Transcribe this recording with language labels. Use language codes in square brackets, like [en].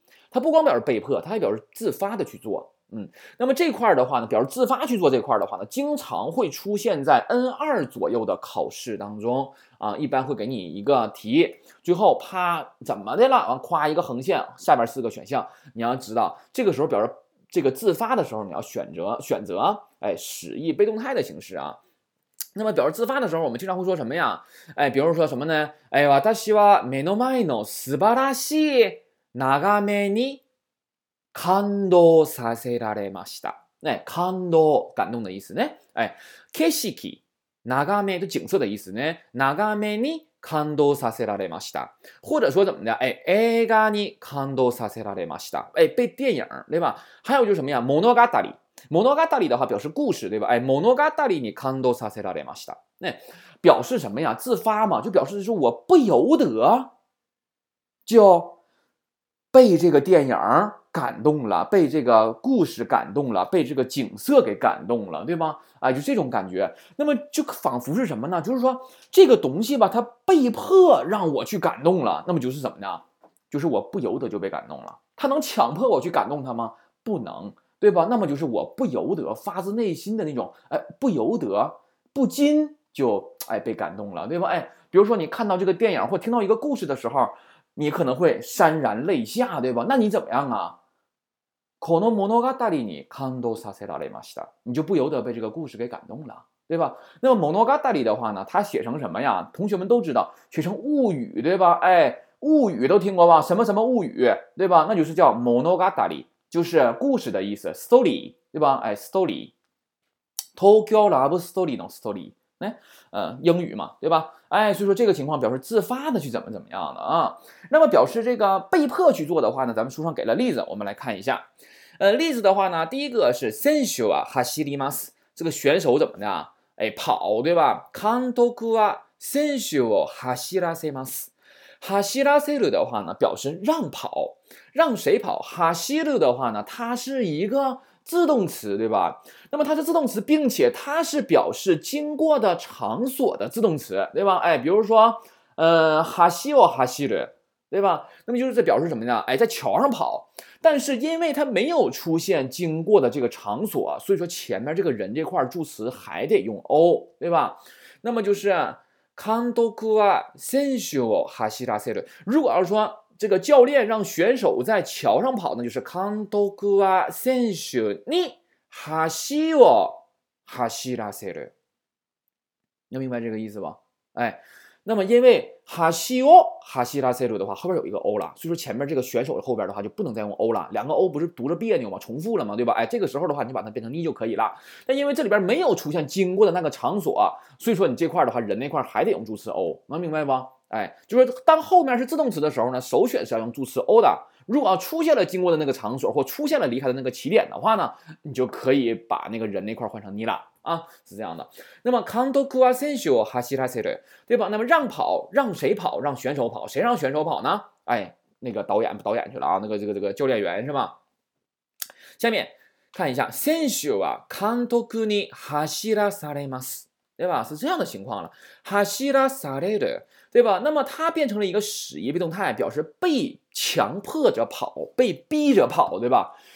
[zh] 它不光表示被迫，它还表示自发的去做。嗯，那么这块的话呢，表示自发去做这块的话呢，经常会出现在 N2 左右的考试当中啊，一般会给你一个题，最后啪怎么的了，完夸一个横线，下边四个选项，你要知道这个时候表示这个自发的时候，你要选择哎使役被动态的形式啊。那么表示自发的时候，我们经常会说什么呀？哎，比如说什么呢？ [ja] 哎，私は目の前の素晴らしい眺めに感動させられました。 [zh] 哎，感动，感动的意思呢？哎，景色、眺め，就景色的意思呢？ [ja] 眺めに感動させられました。 [zh] 或者说怎么的？ [ja] 哎，映画に感動させられました。 [zh] 哎，被电影，对吧？还有就是什么呀？物語。モノガタリ的话表示故事，对吧？ [ja] 哎，モノガタリに感動させられました。 [zh] 那表示什么呀？自发嘛，就表示是我不由得就被这个电影感动了，被这个故事感动了，被这个景色给感动了，对吗？哎，就这种感觉。那么就仿佛是什么呢？就是说这个东西吧，它被迫让我去感动了。那么就是什么呢？就是我不由得就被感动了。它能强迫我去感动它吗？不能。对吧？那么就是我不由得发自内心的那种，哎，不由得不禁就哎被感动了，对吧？哎，比如说你看到这个电影或听到一个故事的时候，你可能会潸然泪下，对吧？那你怎么样啊？ [ja] この物語に感動させられました。 [zh] 你就不由得被这个故事给感动了，对吧？那么物語的话呢，它写成什么呀？同学们都知道，写成物语，对吧？哎，物语都听过吧？什么什么物语，对吧？那就是叫物語。就是故事的意思 ，story， 对吧？哎 ，story， [ja] 東京ラブストーリーの [zh] story， 哎，英语嘛，对吧？哎，所以说这个情况表示自发的去怎么怎么样的啊。那么表示这个被迫去做的话呢，咱们书上给了例子，我们来看一下。例子的话呢，第一个是 [ja] 選手は走ります， [zh] 这个选手怎么的？哎，跑，对吧？ [ja] 監督は選手を走らせます。 [zh] 哈希拉塞鲁的话呢，表示让跑，让谁跑？哈希鲁的话呢，它是一个自动词，对吧？那么它是自动词，并且它是表示经过的场所的自动词，对吧？哎，比如说，哈希哦哈希鲁，对吧？那么就是在表示什么呢？哎，在桥上跑，但是因为它没有出现经过的这个场所，所以说前面这个人这块助词还得用 o， 对吧？那么就是。 [ja] 監督は選手を走らせる。 [zh] 如果要说这个教练让选手在桥上跑呢，就是 [ja] 監督は選手に橋を走らせる。 [zh] 能明白这个意思吧？哎，那么因为橋を走らせる的话，后边有一个 O 了，所以说前面这个选手的后边的话就不能再用 O 了。两个 O 不是读着别扭吗？重复了吗？对吧？哎，这个时候的话，你把它变成 你 就可以了。但因为这里边没有出现经过的那个场所，所以说你这块的话，人那块还得用助词 O， 能明白吗？哎，就是当后面是自动词的时候呢，首选是要用助词 O 的。如果出现了经过的那个场所或出现了离开的那个起点的话呢，你就可以把那个人那块换成 你 了。啊，是这样的。那么 [ja] 監督は選手を走らせる， [zh] 对吧？那么让跑，让谁跑？让选手跑。谁让选手跑呢？哎，那个导演，导演去了啊，那个这个教练员是吧？ [ja] 下面看一下，選手は監督に走らされます， [zh] 对吧？是这样的情况了。走らされる，对吧？那么它变成了一个使役被动态，表示被强迫着跑，被逼着跑，对吧？